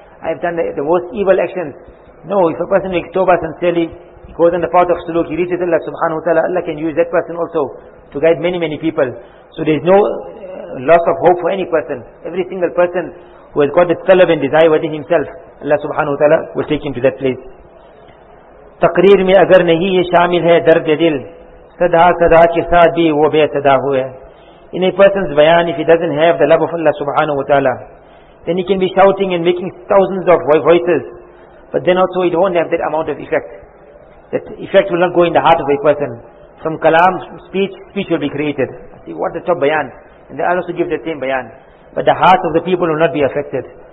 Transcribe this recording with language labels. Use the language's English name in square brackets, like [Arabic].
[English] I've done the worst evil actions. No, if a person makes tawbah sincerely, he goes on the path of suluk, he reaches Allah subhanahu wa ta'ala, Allah can use that person also to guide many people. So there's no loss of hope for any person. Every single person who has got the talab and desire within himself, Allah subhanahu wa ta'ala will take him to that place. [Urdu] تقریر میں اگر نہیں یہ شامل ہے درد دل صدا صدا کے ساتھ بھی وہ بے صدا ہوئے. [English] In a person's bayan, if he doesn't have the love of Allah subhanahu wa ta'ala, then he can be shouting and making thousands of voices, but then also it won't have that amount of effect. That effect will not go in the heart of a person. From kalam, speech will be created. See, what the top bayan, and I'll also give the same bayan, but the heart of the people will not be affected.